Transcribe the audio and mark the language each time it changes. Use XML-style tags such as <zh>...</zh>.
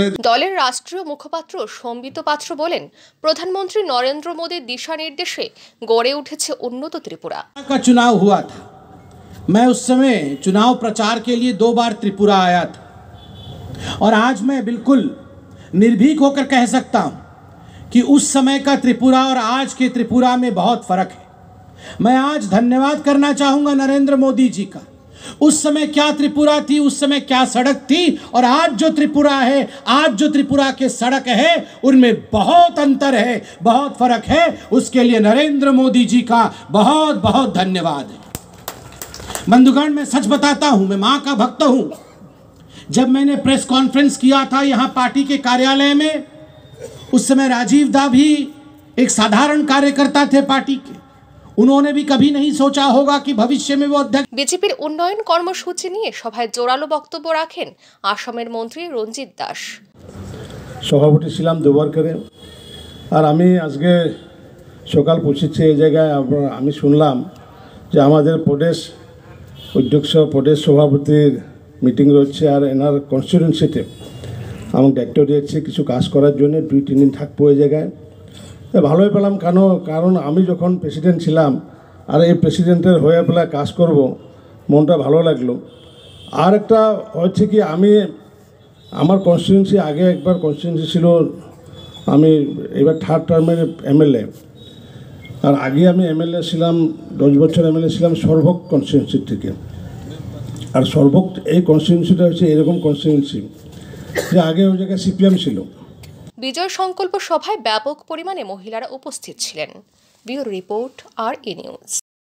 <bn>দলের রাষ্ট্রীয় মুখপাত্র সম্বিত পাত্র বলেন, প্রধানমন্ত্রী নরেন্দ্র মোদীর দিশানির্দেশে গড়ে উঠেছে উন্নত ত্রিপুরা।</bn> <hi>চুনাও হুয়া থা, মে উস সময় চুনাও প্রচার কে লিয়ে দোবার ত্রিপুরা আয়া থা। और आज मैं बिल्कुल निर्भीक होकर कह सकता हूं कि उस समय का त्रिपुरा और आज के त्रिपुरा में बहुत फर्क है। मैं आज धन्यवाद करना चाहूंगा नरेंद्र मोदी जी का। उस समय क्या त्रिपुरा थी, उस समय क्या सड़क थी, और आज जो त्रिपुरा है, आज जो त्रिपुरा के सड़क है, उनमें बहुत अंतर है, बहुत फर्क है। उसके लिए नरेंद्र मोदी जी का बहुत बहुत धन्यवाद। बंधुगण, मैं सच बताता हूं, मैं माँ का भक्त हूं। जब मैंने प्रेस कॉन्फ्रेंस किया था यहाँ पार्टी के कार्यालय में, उस समय राजीव दा भी एक साधारण कार्यकर्ता थे पार्टी के, उन्होंने भी कभी नहीं सोचा होगा कि भविष्य में वो अध्यक्ष।</hi> <bn>বিজেপির উন্নয়ন কর্মসূচি নিয়ে সভায় জোরালো বক্তব্য রাখেন আসামের মন্ত্রী রঞ্জিত দাস। সভাপতি ছিলাম দুবার করে, আর আমি আজকে সকাল পৌঁছেছি এই জায়গায়। আমি শুনলাম যে আমাদের প্রদেশ অধ্যক্ষ প্রদেশ সভাপতির মিটিং রয়েছে আর এনার কনস্টিটুয়েন্সিতে আমার ডাক্তারিয়েছে কিছু কাজ করার জন্য, দুই তিন দিন থাকবো এই জায়গায়। ভালোই পেলাম, কেন কারণ আমি যখন প্রেসিডেন্ট ছিলাম আর এই প্রেসিডেন্টের হয়ে পেলায় কাজ করব, মনটা ভালো লাগলো। আর একটা হচ্ছে কি, আমি আমার কনস্টিটুয়েন্সি আগে একবার কনস্টিটুয়েন্সি ছিল, আমি এবার থার্ড টার্মের এমএলএ, আর আগে আমি এমএলএ ছিলাম 10 বছর এমএলএ ছিলাম সর্বক কনস্টিটুয়েন্সির থেকে। আর সর্বোক্ত এই কনস্টিটিউন্সিটা হচ্ছে এরকম কনস্টিটিউন্সি যে আগে ওই জায়গায় সিপিএম ছিল। বিজয় সংকল্প সভায় ব্যাপক পরিমাণে মহিলারা উপস্থিত ছিলেন।</bn> <hi>Bureau report, R A news.</hi>